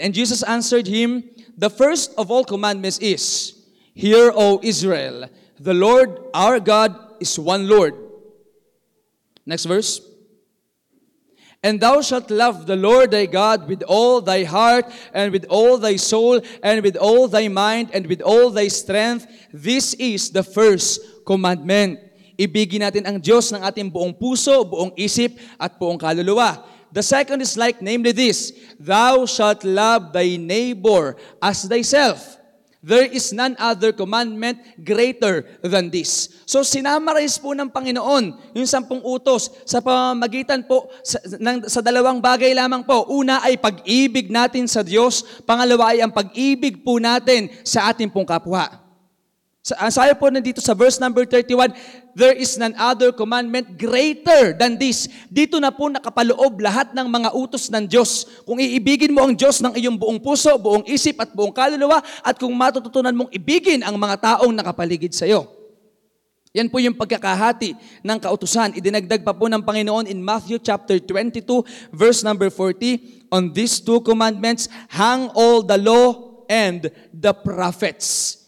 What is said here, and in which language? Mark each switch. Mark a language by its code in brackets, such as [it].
[en] And Jesus answered him, "The first of all commandments is, Hear, O Israel, the Lord our God is one Lord." Next verse. "And thou shalt love the Lord thy God with all thy heart, and with all thy soul, and with all thy mind, and with all thy strength. This is the first commandment." [tl] Ibigin natin ang Diyos ng ating buong puso, buong isip, at buong kaluluwa. [en] The second is like, namely this, "Thou shalt love thy neighbor as thyself." There is none other commandment greater than this. [tl] So sinummarize po ng Panginoon yung sampung utos sa pamamagitan po sa dalawang bagay lamang po. Una ay pag-ibig natin sa Diyos. Pangalawa ay ang pag-ibig po natin sa ating pong kapwa. Sabi po nandito sa [en] verse number 31, "There is none other commandment greater than this." [tl] Dito na po nakapaloob lahat ng mga utos ng Diyos. Kung iibigin mo ang Diyos ng iyong buong puso, buong isip at buong kaluluwa, at kung matututunan mong ibigin ang mga taong nakapaligid sa iyo. Yan po yung pagkakahati ng kautusan. Idinagdag pa po ng Panginoon [en] in Matthew chapter 22, verse number 40, "On these two commandments hang all the law and the prophets."